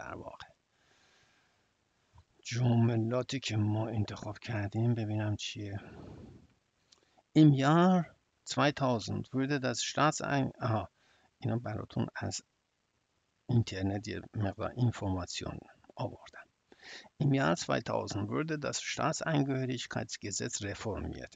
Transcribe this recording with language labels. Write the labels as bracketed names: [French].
[Persian] در واقع جملاتی که ما انتخاب کردیم ببینم چیه. [German] Im Jahr 2000 wurde das Staatsangehörigkeitsrecht. [Persian] اینا براتون از اینترنت یه مقدار اینفورماسیون آوردم. [German] Im Jahr 2000 wurde das Staatsangehörigkeitsgesetz reformiert.